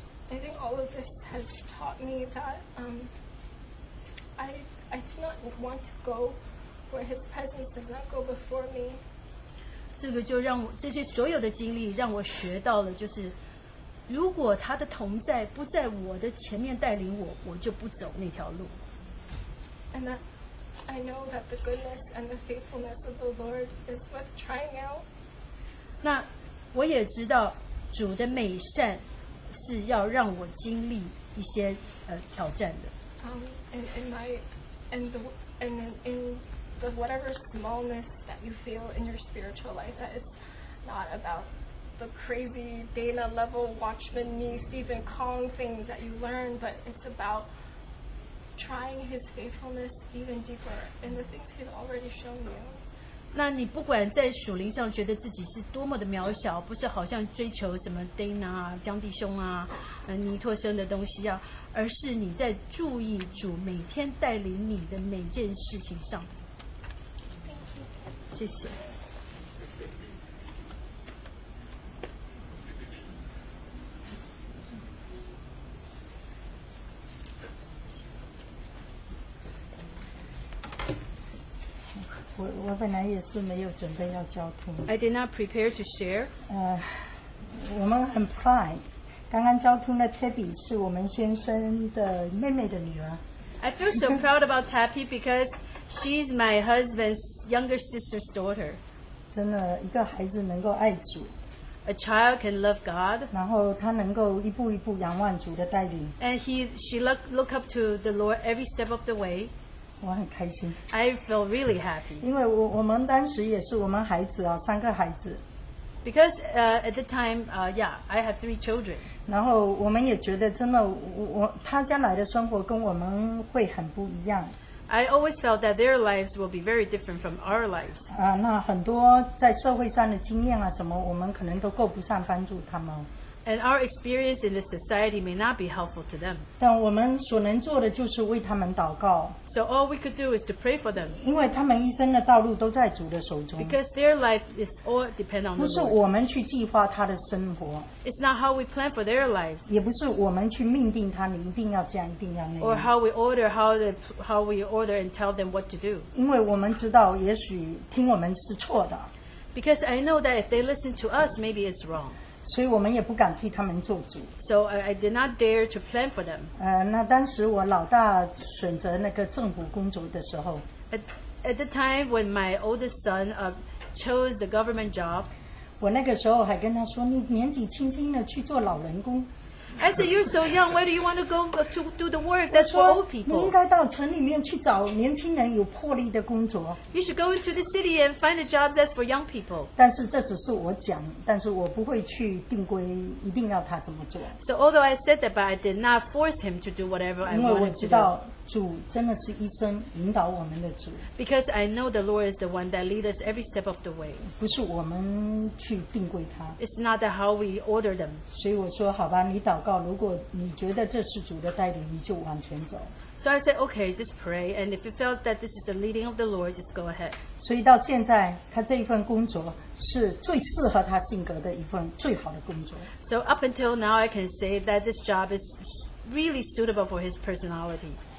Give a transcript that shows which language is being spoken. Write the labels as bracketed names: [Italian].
[English] I think all of this has taught me that I do not want to go where His presence does not go before me. [Chinese] 这个就让我这些所有的经历让我学到了，就是如果他的同在不在我的前面带领我，我就不走那条路。 [English] And that I know that the goodness and the faithfulness of the Lord is worth trying out. [Chinese] 那我也知道主的美善是要让我经历一些挑战的。 [English] And in the whatever smallness that you feel in your spiritual life, that is not about the crazy Dana level Watchman Nee Stephen Kong things that you learn, but it's about trying His faithfulness even deeper in the things He's already shown you. [Chinese] 那你不管在属灵上觉得自己是多么的渺小，不是好像追求什么 Dana 啊、江弟兄啊、尼托生的东西啊，而是你在注意主每天带领你的每件事情上。 [English] Thank you. [Chinese] 谢谢。我本来也是没有准备要交通。 [English] I did not prepare to share. [Chinese] 我们很 pride。刚刚交通的 Tappy 是我们先生的妹妹的女儿。 [English] I feel so proud about Tappy because she's my husband's younger sister's daughter. [Chinese] 真的，一个孩子能够爱主。 [English] A child can love God. [Chinese] 然后他能够一步一步仰望主的带领。 [English] And she look up to the Lord every step of the way. [Chinese] 我很开心。 [English] I feel really happy. [Chinese] 因为我们当时也是我们孩子啊，三个孩子。 [English] Because at the time, yeah, I have 3 children. [Chinese] 然后我们也觉得真的，他将来的生活跟我们会很不一样。 [English] I always felt that their lives will be very different from our lives. [Chinese] 那很多在社会上的经验啊，什么我们可能都够不上帮助他们。 [English] And our experience in the society may not be helpful to them. [Chinese] 但我们所能做的就是为他们祷告。 [English] So all we could do is to pray for them. [Chinese] 因为他们一生的道路都在主的手中。 [English] Because their life is all depend on the Lord. [Chinese] 不是我们去计划他的生活。 [English] It's not how we plan for their lives. [Chinese] 也不是我们去命定他，你一定要这样，一定要那样。 [English] Or how we order and tell them what to do. [Chinese] 因为我们知道，也许听我们是错的。 [English] Because I know that if they listen to us, maybe it's wrong. [Chinese] 所以我们也不敢替他们做主。 [English] So I did not dare to plan for them. [Chinese] 那当时我老大选择那个政府工作的时候。 [English] At the time when my oldest son chose the government job. [Chinese] 我那个时候还跟他说，你年纪轻轻的去做老人工。 [English] I said, you're so young, why do you want to go to do the work? That's for old people. [Chinese] 你应该到城里面去找年轻人有魄力的工作。 [English] You should go into the city and find a job that's for young people. [Chinese] 但是这只是我讲，但是我不会去定规一定要他怎么做。 [English] So although I said that, but I did not force him to do whatever I wanted to do. [Chinese] 因为我知道主真的是一生引导我们的主。 [English] Because I know the Lord is the one that leads us every step of the way. [Chinese] 不是我们去定规他。 [English] It's not how we order them. [Chinese] 所以我说好吧，你祷告，如果你觉得这是主的带领，你就往前走。 [English] So I said, okay, just pray, and if you felt that this is the leading of the Lord, just go ahead. [Chinese] 所以到现在，他这一份工作是最适合他性格的一份最好的工作。 [English] So up until now, I can say that this job is really suitable for his personality.